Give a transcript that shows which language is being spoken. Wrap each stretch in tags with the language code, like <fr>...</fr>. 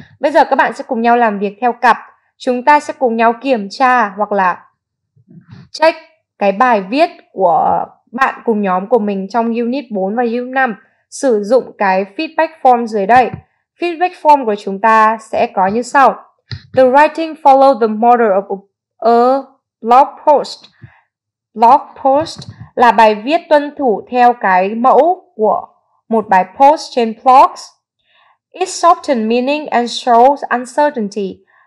<vi>Bây giờ các bạn sẽ cùng nhau làm việc theo cặp. Chúng ta sẽ cùng nhau kiểm tra hoặc là check cái bài viết của bạn cùng nhóm của mình trong unit 4 và unit 5 sử dụng cái feedback form dưới đây. Feedback form của chúng ta sẽ có như sau.</vi> <en>The writing follows the model of a blog post.</en> <vi>Blog post là bài viết tuân thủ theo cái mẫu của một bài post trên blogs.</vi> <en>It softens meaning and shows uncertainty.</en>